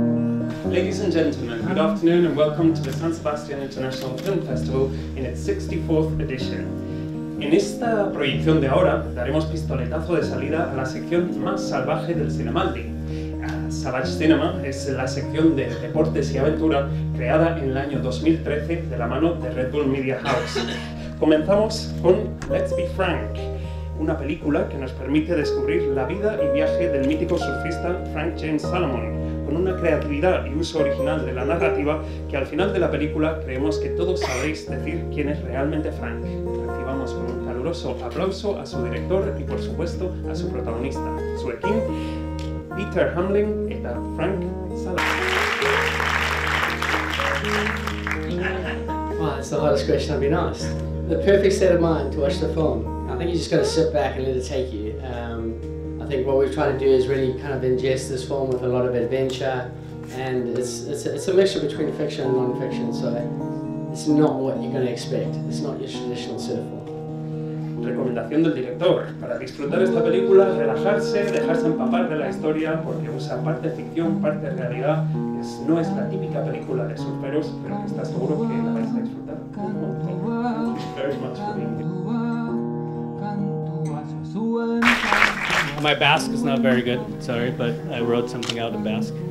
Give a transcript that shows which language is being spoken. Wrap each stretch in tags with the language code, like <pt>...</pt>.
<en>Good afternoon and welcome to the San Sebastián International Film Festival in its 64th edition.</en> <es>En esta proyección de ahora daremos pistoletazo de salida a la sección más salvaje del Cinemaldi. Savage Cinema es la sección de deportes y aventura creada en el año 2013 de la mano de Red Bull Media House. Comenzamos con Let's Be Frank, una película que nos permite descubrir la vida y viaje del mítico surfista Frank James Salomon, con una creatividad y uso original de la narrativa que al final de la película creemos que todos sabréis decir quién es realmente Frank. Recibamos con un caluroso aplauso a su director y por supuesto a su protagonista, zuekin, Peter Hamlin eta Frank Salomon.</es> <en>Wow, that's the hardest question I've been asked. The perfect state of mind to watch the film. I think you're just going to sit back and let it take you. I think what we've tried to do is really kind of ingest this film with a lot of adventure, and it's a mixture between fiction and non-fiction, so it's not what you're going to expect. It's not your traditional cinema film.</en> <es>Recomendación del director: para disfrutar esta película, relajarse, dejarse empapar de la historia, porque usa parte ficción, parte realidad. No es la típica película de surferos, pero que está seguro que la vais a disfrutar.</es> <en>My Basque is not very good, sorry, but I wrote something out in Basque.</en>